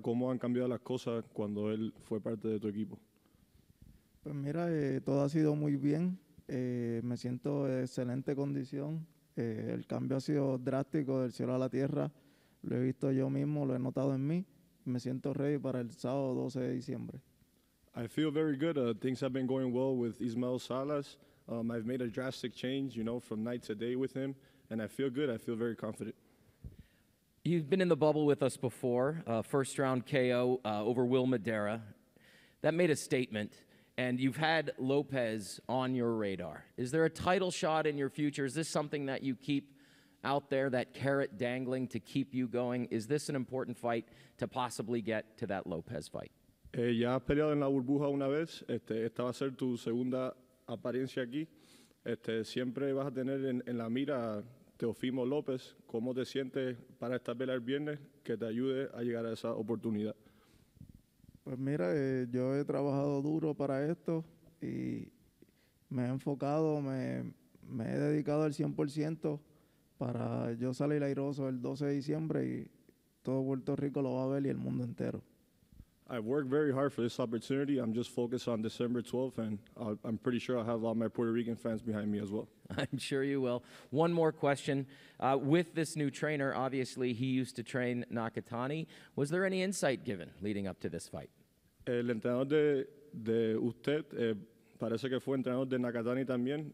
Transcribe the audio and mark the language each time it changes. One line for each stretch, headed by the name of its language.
Spanish: ¿Cómo han cambiado las cosas cuando él fue parte de tu equipo? Pues mira, todo ha sido muy bien. Me siento en excelente condición. El cambio ha sido drástico del cielo a la tierra. Lo he visto yo mismo, lo he notado en mí. Me siento ready para el sábado 12 de diciembre.
English: I feel very good. Things have been going well with Ismael Salas. I've made a drastic change, you know, from night to day with him, and I feel good. I feel very confident. You've been in the bubble with us before, first round KO over Will Madera. That made a statement, and you've had Lopez on your radar. Is there a title shot in your future? Is this something that you keep out there, that carrot dangling to keep you going? Is this an important fight to possibly get to that Lopez fight?
Spanish: Ya has peleado en la burbuja una vez. Esta va a ser tu segunda apariencia aquí. Siempre vas a tener en la mira Teofimo López. ¿Cómo te sientes para esta pelea el viernes que te ayude a llegar a esa oportunidad? Pues mira, yo he trabajado duro para esto y me he enfocado, me he dedicado al 100% para yo salir airoso el 12 de diciembre y todo Puerto Rico lo va a ver y el mundo entero.
English: I've worked very hard for this opportunity. I'm just focused on December 12th, and I'm pretty sure I'll have all my Puerto Rican fans behind me as well. I'm sure you will. One more question. With this new trainer, obviously he used to train Nakatani. Was there any insight given leading up to this fight?
Spanish: El entrenador de usted parece que fue entrenador de Nakatani también.